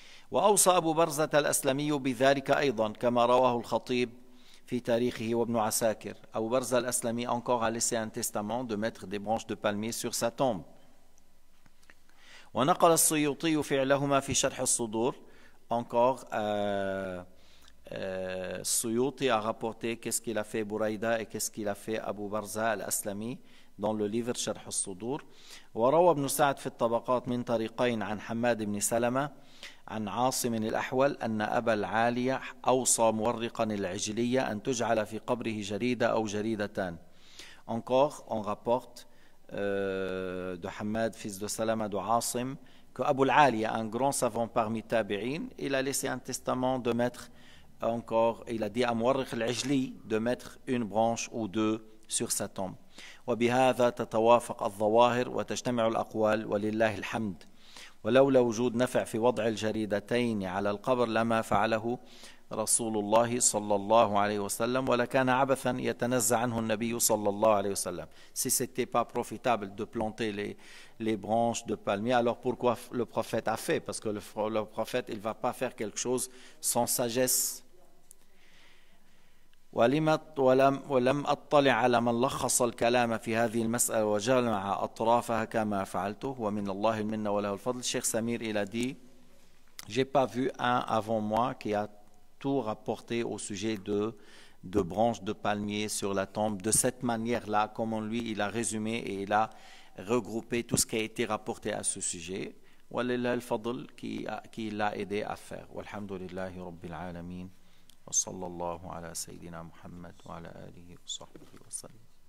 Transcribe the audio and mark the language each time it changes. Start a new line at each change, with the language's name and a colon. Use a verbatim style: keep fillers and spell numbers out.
Arabic: وأوصى أبو برزة الأسلمي بذلك أيضا كما رواه الخطيب في تاريخه وابن عساكر.
French: أبو برزة الأسلمي encore a laissé un testament de mettre des branches de palmier sur sa tombe.
Arabic: ونقل السيوطي فعلهما في شرح الصدور.
French: Encore euh, Euh, Suyuti a rapporté qu'est-ce qu'il a fait Bouraïda et qu'est-ce qu'il a fait Abu Barza al-Aslami dans le livre Sharh al-Sudur.
Arabic: وروى ابن سعد في الطبقات من طريقين عن حماد بن سلمة عن عاصم الأحول أن أبا العالية أوصى مورقا العجلية أن تجعل في قبره جريدة أو جريدتان.
French: Encore on rapporte euh, de Hamad, fils de Salama, de Asim, que Abul Aliya, un grand savant parmi Tabi'in, il a laissé un testament de mettre encore, il a dit à Muwarrikh al-Ajli de mettre une branche ou deux sur sa tombe.
Arabic: وبهذا تتوافق الظواهر وتجتمع الأقوال ولله الحمد. ولولا وجود نفع في وضع الجريدتين على القبر لما فعله رسول الله صلى الله عليه وسلم ولكان عبثا يتنزع عنه النبي صلى الله عليه وسلم.
French: Si c'était pas profitable de planter les, les branches de palmier, alors pourquoi le prophète a fait? Parce que le, le prophète, il va pas faire quelque chose sans sagesse.
Arabic: ولم ولم أطلع على من لخص الكلام في هذه المسألة وجمع أطرافها كما فعلته ومن الله المنة وله الفضل.
French: Cheikh Samir, il a dit: j'ai pas vu un avant moi qui a tout rapporté au sujet de, de branches de palmier sur la tombe de cette manière-là, comme lui il a résumé et il a regroupé tout ce qui a été rapporté à ce sujet.
Arabic: Walillah al-Fadl
French: qui, qui l'a aidé à faire.
Arabic: Walhamdulillahi Rabbil Alameen. وصلى الله على سيدنا محمد وعلى آله وصحبه وسلم.